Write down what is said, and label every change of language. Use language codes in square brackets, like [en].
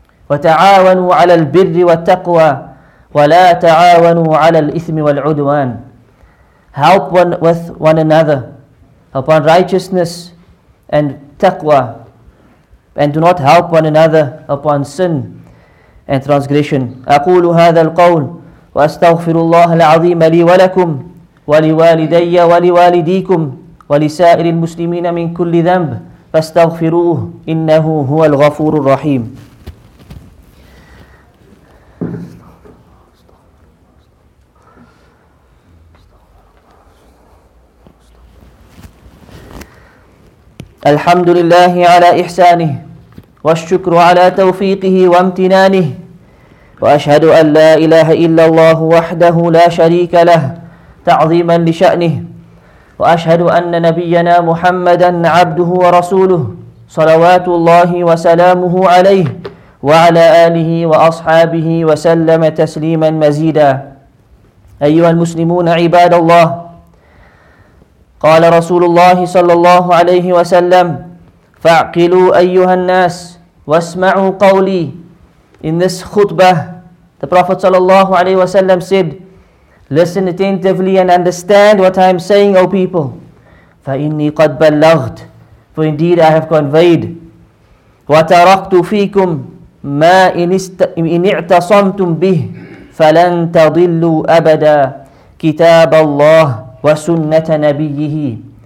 [ar] وَتَعَاوَنُوا عَلَى الْبِرِّ وَالتَّقْوَى وَلَا تَعَاوَنُوا عَلَى الْإِثْمِ وَالْعُدْوَانِ. [en] Help one with one another upon righteousness and taqwa, and do not help one another upon sin and transgression. [ar] أَقُولُ هَذَا الْقَوْلُ وَأَسْتَغْفِرُ اللَّهَ الْعَظِيمَ لِي وَلَكُمْ وَلِوَالِدَيَّ وَلِوَالِدِيكُمْ ولسائر المسلمين من كل ذنب فاستغفروه إنه هو الغفور الرحيم. الحمد لله على إحسانه والشكر على توفيقه وامتنانه وأشهد أن لا إله إلا الله وحده لا شريك له تعظيما لشأنه وأشهد أن نبينا محمدًا عبده ورسوله صلوات الله وسلامه عليه وعلى آله وأصحابه وسلم تسليما مزيدا. أيها المسلمون عباد الله، قال رسول الله صلى الله عليه وسلم: فاعقلوا أيها الناس واسمعوا قولي. [en] In this khutbah, the Prophet صلى الله عليه وسلم said: listen attentively and understand what I am saying, O people. [ar] فَإِنِّي قَدْ بَلَّغْتُ. [en] For indeed I have conveyed. [ar] وَتَرَقْتُ فِيكُمْ مَا إِنِ اعْتَصَمْتُمْ بِهِ فَلَنْ تَضِلُّوا أَبَدًا كِتَابَ اللَّهِ وَسُنَّةَ نَبِيِّهِ.